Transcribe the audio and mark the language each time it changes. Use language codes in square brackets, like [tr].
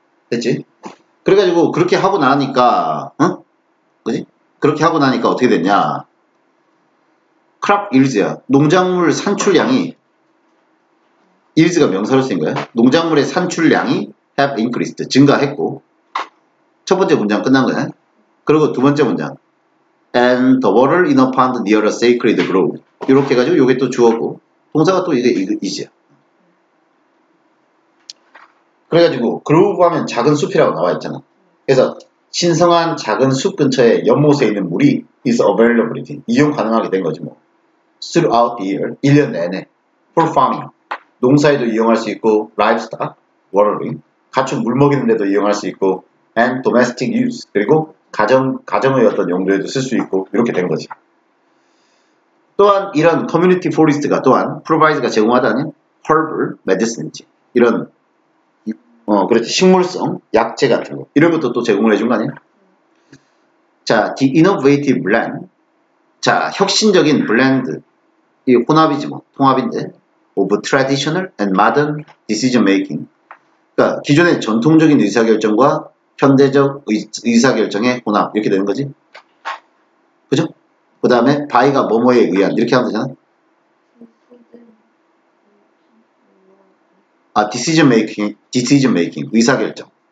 [ko] 됐지? 그래가지고 그렇게 하고 나니까, 응? 그지? 그렇게 하고 나니까 어떻게 됐냐? 크랍 일즈야. 농작물 산출량이 일즈가 명사로 쓰인 거야. 농작물의 산출량이 [en] have increased, [ko] 증가했고. 첫 번째 문장 끝난 거야. 그리고 두 번째 문장. [en] And the water in a pond near a sacred grove. [ko] 이렇게 해가지고 요게 또 주어고. 동사가 또 이게 is야. 그래가지고 grove 하면 작은 숲이라고 나와 있잖아. 그래서 신성한 작은 숲 근처에 연못에 있는 물이 [en] is availability, [ko] 이용 가능하게 된 거지 뭐. [en] throughout the year, [ko] 1년 내내 [en] for farming, [ko] 농사에도 이용할 수 있고 livestock, watering, 가축 물 먹이는 데도 이용할 수 있고 [en] and domestic use, [ko] 그리고 가정의 어떤 용도에도 쓸수 있고 이렇게 된 거지. 또한 이런 [en] community forest [ko] 가 또한 provides가 제공하다는 herbal medicine, 이런 그렇지. 식물성, 약재 같은 거. 이런 것도 또 제공을 해준 거 아니야? 자, [en] the innovative blend. [ko] 자, 혁신적인 블렌드. 이 혼합이지 뭐. 통합인데. [en] of traditional and modern decision making. [ko] 그러니까 기존의 전통적인 의사결정과 현대적 의사결정의 혼합. 이렇게 되는 거지. 그죠? 그 다음에 바이가 뭐뭐에 의한. 이렇게 하면 되잖아. 아, decision making, 의사결정.